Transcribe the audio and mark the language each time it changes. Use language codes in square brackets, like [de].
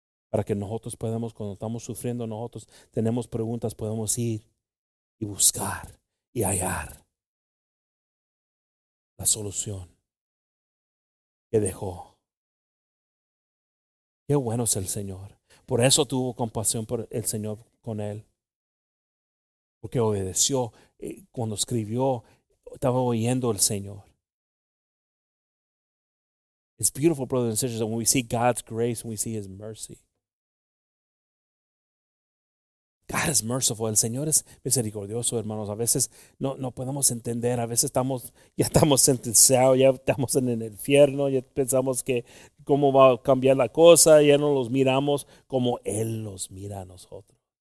[es] Para que nosotros podamos, cuando estamos sufriendo, nosotros tenemos preguntas, podemos ir y buscar y hallar la solución que dejó. Qué bueno es el Señor. Por eso tuvo compasión por el Señor con él. Porque obedeció. Cuando escribió, estaba oyendo al Señor. [en] It's beautiful, brothers and sisters, when we see God's grace, when we see his mercy. God is merciful. [es] El Señor es misericordioso, hermanos. A veces no podemos entender. A veces ya estamos sentenciados, ya estamos en el infierno. Ya pensamos que cómo va a cambiar la cosa. Ya no los miramos como Él los mira a nosotros.